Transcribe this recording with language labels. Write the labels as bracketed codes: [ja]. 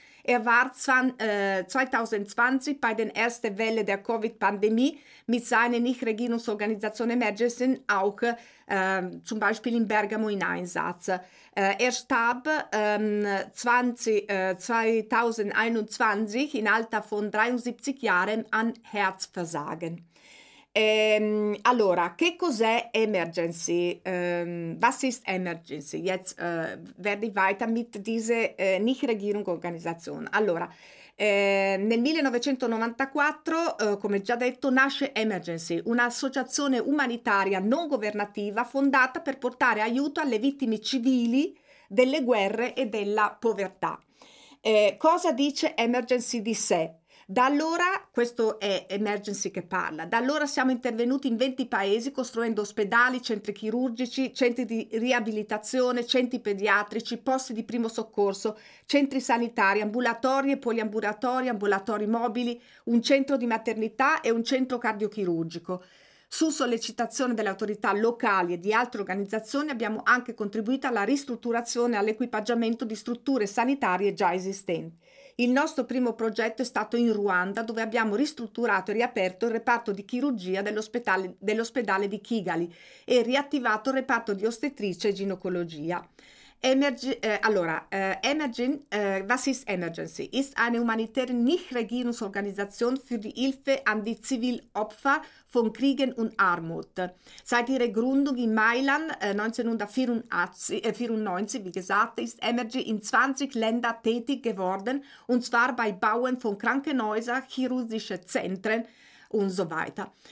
[de] Er war 2020 bei der ersten Welle der Covid-Pandemie mit seiner Nichtregierungsorganisation Emergency auch zum Beispiel in Bergamo in Einsatz. Er starb 2021 im Alter von 73 Jahren an Herzversagen. [it] Allora, che cos'è Emergency? [de] Was ist Emergency? Jetzt werde ich weiter mit dieser Nichtregierungsorganisation. [it] Allora, nel 1994, come già detto, nasce Emergency, un'associazione umanitaria non governativa fondata per portare aiuto alle vittime civili delle guerre e della povertà. Cosa dice Emergency di sé? Da allora, questo è Emergency che parla, da allora siamo intervenuti in 20 paesi costruendo ospedali, centri chirurgici, centri di riabilitazione, centri pediatrici, posti di primo soccorso, centri sanitari, ambulatori e poliambulatori, ambulatori mobili, un centro di maternità e un centro cardiochirurgico. Su sollecitazione delle autorità locali e di altre organizzazioni abbiamo anche contribuito alla ristrutturazione e all'equipaggiamento di strutture sanitarie già esistenti. Il nostro primo progetto è stato in Ruanda, dove abbiamo ristrutturato e riaperto il reparto di chirurgia dell'ospedale di Kigali e riattivato il reparto di ostetricia e ginecologia. [de] Was ist Emergency? Ist eine humanitäre Nichtregierungsorganisation für die Hilfe an die Zivilopfer von Kriegen und Armut. Seit ihrer Gründung in Mailand 1994, wie gesagt, ist Emergency in 20 Ländern tätig geworden, und zwar bei Bauen von Krankenhäusern, chirurgischen Zentren und so weiter.